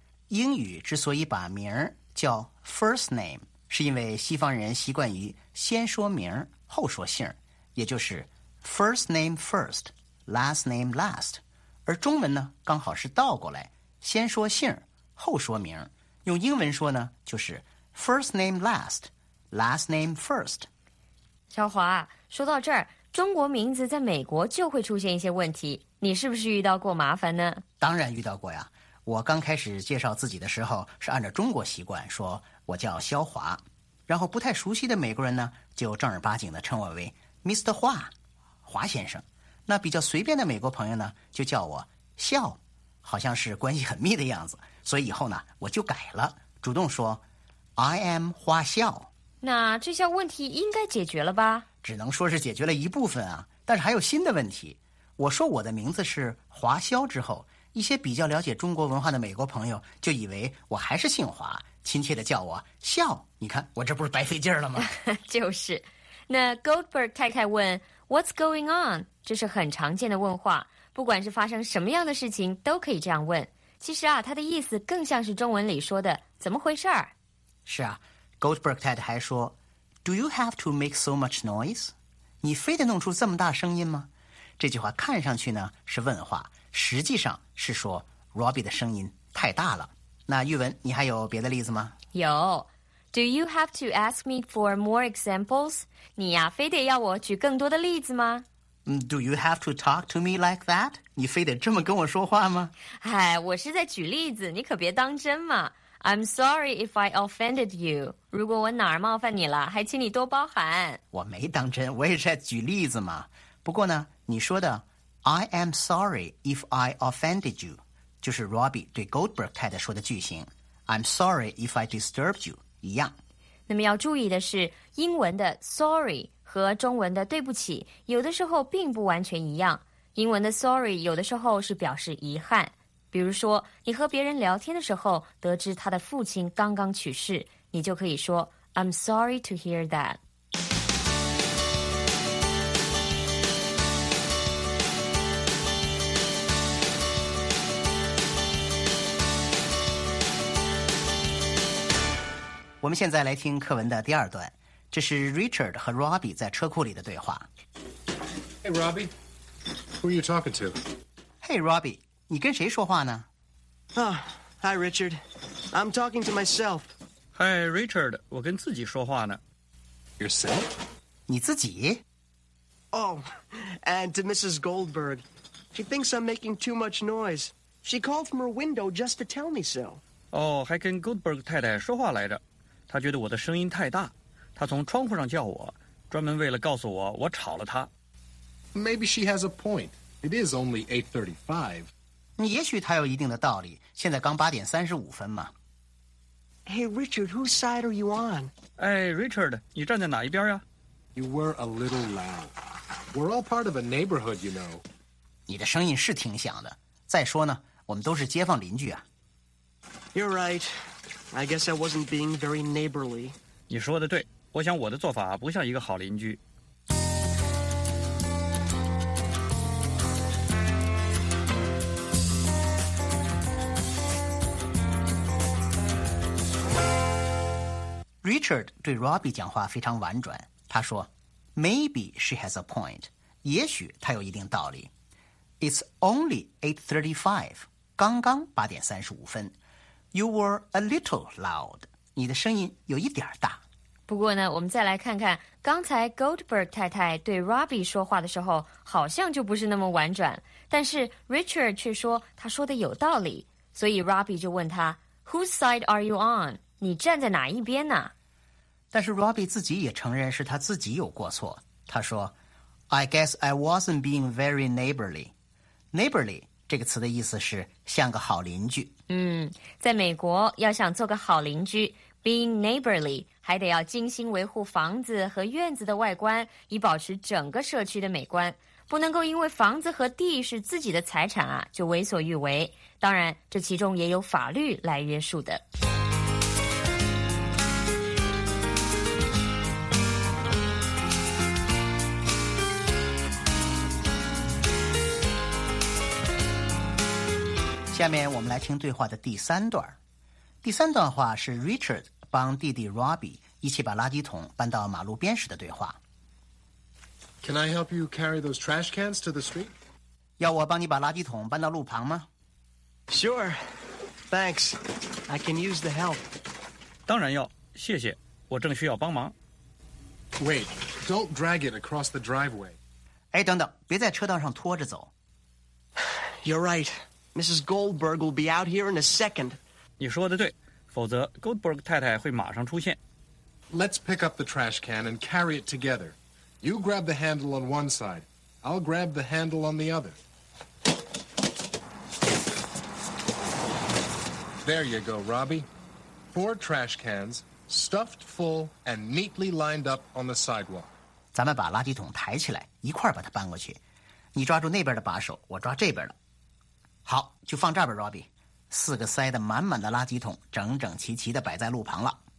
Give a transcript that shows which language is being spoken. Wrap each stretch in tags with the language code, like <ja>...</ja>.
<zh>英语之所以把名儿叫 first name， 是因为西方人习惯于先说名儿后说姓，也就是</zh> <en>first name first， last name last。</en> <zh>而中文呢，刚好是倒过来，先说姓后说名。用英文说呢，就是</zh> <en>first name last， last name first。</en> <zh>小华，说到这儿，中国名字在美国就会出现一些问题。你是不是遇到过麻烦呢？当然遇到过呀。我刚开始介绍自己的时候是按照中国习惯说我叫肖华，然后不太熟悉的美国人呢就正儿八经的称我为 Mr. 华，华先生。那比较随便的美国朋友呢就叫我肖，好像是关系很密的样子，所以以后呢我就改了，主动说</zh> <en>I am</en> <zh>华肖。那这项问题应该解决了吧？只能说是解决了一部分啊，但是还有新的问题。我说我的名字是华肖之后，一些比较了解中国文化的美国朋友就以为我还是姓华，亲切地叫我肖。你看我这不是白费劲儿了吗？就是。那 Goldberg 太太问</zh> <en>What's going on，</en> <zh>这是很常见的问话，不管是发生什么样的事情都可以这样问。其实啊，他的意思更像是中文里说的怎么回事儿。是啊， Goldberg 太太还说</zh> <en>Do you have to make so much noise？</en> <zh>你非得弄出这么大声音吗？这句话看上去呢是问话，实际上是说 Robbie 的声音太大了。那玉文，你还有别的例子吗？有。</zh> <en>Do you have to ask me for more examples？</en> <zh>你呀非得要我举更多的例子吗？</zh> <en>Do you have to talk to me like that？</en> <zh>你非得这么跟我说话吗？哎，我是在举例子，你可别当真嘛。</zh> <en>I'm sorry if I offended you。</en> <zh>如果我哪儿冒犯你了，还请你多包涵。我没当真，我也是在举例子嘛。不过呢，你说的</zh> <en>I am sorry if I offended you</en> <zh>就是 Robbie 对 Goldberg 太太说的句型，</zh> <en>I'm sorry if I disturbed you</en> <zh>一样。那么要注意的是，英文的 sorry 和中文的对不起有的时候并不完全一样。英文的 sorry 有的时候是表示遗憾，比如说你和别人聊天的时候得知他的父亲刚刚去世，你就可以说</zh> <en>I'm sorry to hear that。</en> <zh>我们现在来听课文的第二段，这是 Richard 和 Robbie 在车库里的对话。</zh> <en>Hey Robbie, who are you talking to?</en> <zh>Hey Robbie, 你跟谁说话呢？</zh> <en>Oh, Hi, Richard. I'm talking to myself.</en> <zh>Hi, Richard. 我跟自己说话呢。</zh> <en>Yourself?</en> <zh>你自己？</zh> <en>Oh, and to Mrs. Goldberg. She thinks I'm making too much noise. She called from her window just to tell me so.</en> <zh>Oh, 还跟 Goldberg 太太说话来着。她觉得我的声音太大。她从窗户上叫我，专门为了告诉我我吵了她。</zh> <en>Maybe she has a point. It is only 8:35.</en> <zh>你也许他有一定的道理，现在刚8:35嘛。</zh> <en>Hey, Richard, whose side are you on?</en> <zh>Hey, Richard, 你站在哪一边呀？</zh> <en>You were a little loud. We're all part of a neighborhood, you know.</en> <zh>你的声音是挺响的。再说呢，我们都是街坊邻居啊。</zh> <en>You're right. I guess I wasn't being very neighborly.</en> <zh>你说的对，我想我的做法不像一个好邻居。 Richard 对 Robbie 讲话非常婉转，他说</zh> <en>Maybe she has a point，</en> <zh>也许她有一定道理。</zh> <en>It's only 8:35，</en> <zh>刚刚</zh> <en>8:35。 You were a little loud，</en> <zh>你的声音有一点大。不过呢，我们再来看看刚才 Goldberg 太太对 Robbie 说话的时候好像就不是那么婉转，但是 Richard 却说他说的有道理，所以 Robbie 就问他</zh> <en>Whose side are you on？</en> <zh>你站在哪一边呢？但是 Robbie 自己也承认是他自己有过错。他说</zh> <en>I guess I wasn't being very neighborly.</en> <zh>Neighborly 这个词的意思是像个好邻居。嗯，在美国要想做个好邻居，</zh> <en>being neighborly</en> <zh>还得要精心维护房子和院子的外观，以保持整个社区的美观，不能够因为房子和地是自己的财产啊，就为所欲为。当然这其中也有法律来约束的。下面我们来听对话的第三段。第三段话是 Richard 帮弟弟 Robbie 一起把垃圾桶搬到马路边时的对话。</zh> <en>Can I help you carry those trash cans to the street?</en> <zh>要我帮你把垃圾桶搬到路旁吗？</zh> <en>Sure. Thanks. I can use the help.</en> <zh>当然要，谢谢，我正需要帮忙。</zh> <en>Wait, don't drag it across the driveway.</en> <zh>哎，等等，别在车道上拖着走。</zh> <en>You're right. Mrs. Goldberg will be out here in a second.</en> <zh>你说的对，否则 Goldberg 太太会马上出现。</zh> <en>Let's pick up the trash can and carry it together. You grab the handle on one side. I'll grab the handle on the other. There you go, Robbie. 4 trash cans, stuffed full and neatly lined up on the sidewalk.</en> <zh>咱们把垃圾桶抬起来，一块把它搬过去。你抓住那边的把手，我抓这边的。好，就放这儿吧 ，Robbie。四个塞得满满的垃圾桶，整整齐齐地摆在路旁了。</zh>